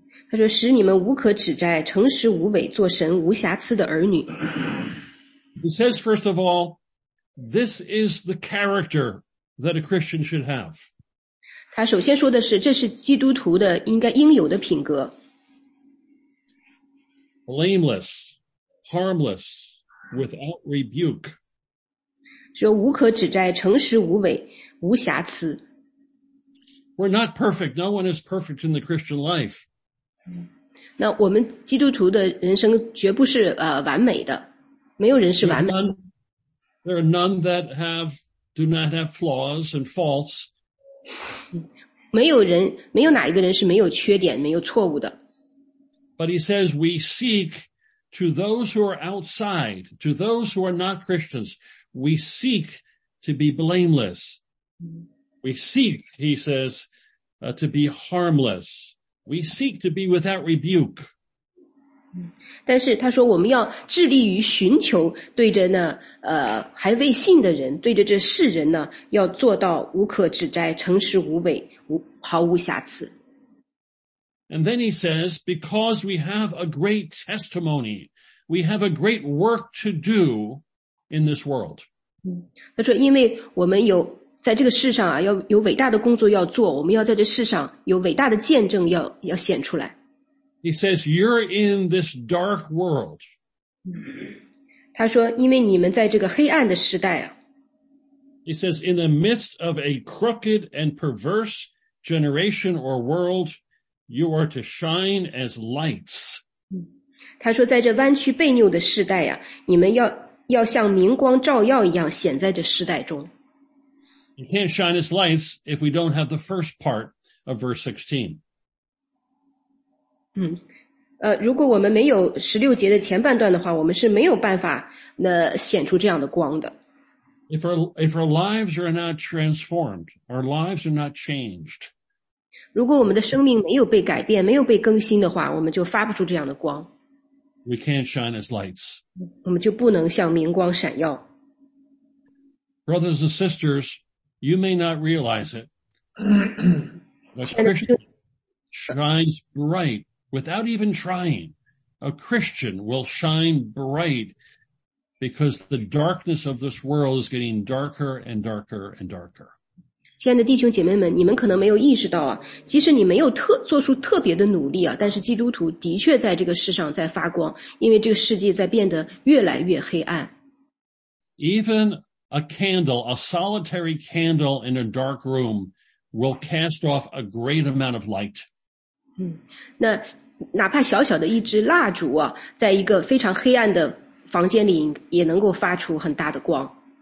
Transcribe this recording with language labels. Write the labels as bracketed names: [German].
[Chinese] 他说使你们无可指摘，诚实无伪，做神无瑕疵的儿女。 [English] He says, first of all, this is the character that a Christian should have. [Chinese] 他首先说的是，这是基督徒的应该应有的品格。 [English] Blameless, harmless, without rebuke. [Chinese] 说无可指摘，诚实无伪，无瑕疵。 [English] We're not perfect. No one is perfect in the Christian life. [Chinese] 那我们基督徒的人生绝不是完美的。没有人是完美的。 [English] There are none that do not have flaws and faults. [Chinese] 没有哪一个人是没有缺点，没有错误的。 [English] But he says we seek to those who are outside, to those who are not Christians, we seek to be blameless. We seek, he says, to be harmless. We seek to be without rebuke. [Chinese] 但是他说我们要致力于寻求对着那还未信的人，对着这世人呢，要做到无可指摘，诚实无伪，毫无瑕疵。 [English] And then he says, because we have a great testimony, we have a great work to do in this world. [Chinese] 他说因为我们有在这个世上啊，要有伟大的工作要做，我们要在这世上有伟大的见证要显出来。 [English] He says, you're in this dark world. [Chinese] 他说因为你们在这个黑暗的时代啊。 [English] He says, in the midst of a crooked and perverse generation or world, you are to shine as lights. [Chinese] 他说在这弯曲悖谬的时代啊，你们要像明光照耀一样显在这时代中。 [English] You can't shine as lights if we don't have the first part of verse 16. [Chinese] 如果我们没有十六节的前半段的话，我们是没有办法那显出这样的光的。 [English] If our lives are not transformed, our lives are not changed. [Chinese] 如果我们的生命没有被改变，没有被更新的话，我们就发不出这样的光。 [English] We can't shine as lights. [Chinese] 我们就不能像明光闪耀。 [English] Brothers and sisters, you may not realize it, but shines bright. Without even trying, a Christian will shine bright because the darkness of this world is getting darker and darker and darker. [Chinese] 亲爱的弟兄姐妹们，你们可能没有意识到啊，即使你没有做出特别的努力啊，但是基督徒的确在这个世上在发光，因为这个世界在变得越来越黑暗。 [English] Even a candle, a solitary candle in a dark room will cast off a great amount of light. [Chinese] 那哪怕小小的一支蜡烛啊，在一个非常黑暗的房间里也能够发出很大的光。